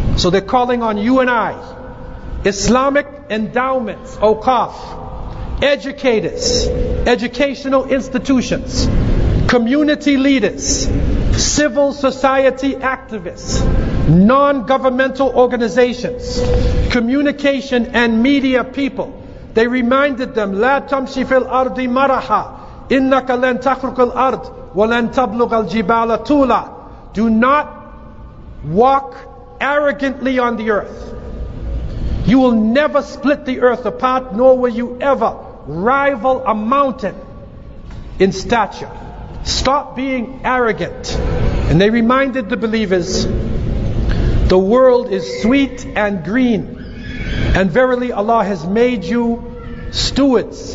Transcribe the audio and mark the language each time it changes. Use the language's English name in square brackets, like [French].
[English] So they're calling on you and I, Islamic endowments, Oqaf, educators, educational institutions, community leaders, civil society activists, non-governmental organizations, communication and media people. [Arabic] They reminded them, لا تمشي في الأرض مرحا إنك لن تخرق الأرض ولن تبلغ الجبال طولا. [English] Do not walk arrogantly on the earth. You will never split the earth apart, nor will you ever rival a mountain in stature. Stop being arrogant. And they reminded the believers, the world is sweet and green, and verily Allah has made you stewards.